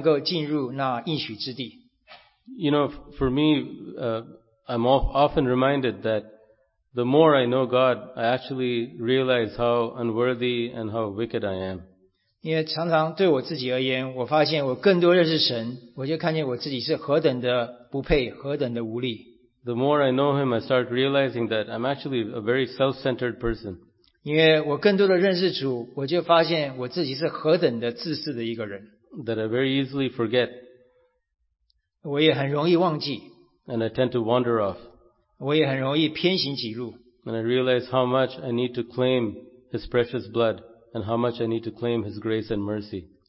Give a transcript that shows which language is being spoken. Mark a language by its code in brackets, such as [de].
[zh] 因为那些容易忘记神的爱、神的神迹的那些百姓，神仍然预备他们，好叫他们能够进入那应许之地。 [en] You know, for me, I'm often reminded that the more I know God, I actually realize how unworthy and how wicked I am. [zh] 因为常常对我自己而言，我发现我更多认识神，我就看见我自己是何等的不配，何等的无力。 [en] The more I know Him, I start realizing that I'm actually a very self-centered person. [zh] 因为我更多的认识主，我就发现我自己是何等的自私的一个人。 [en] That I very easily forget. [zh] 我也很容易忘记。 [en] And I tend to wander off. [zh] 我也很容易偏行己路。 [en] And I realize how much I need to claim His precious blood and how much I need to claim His grace and mercy.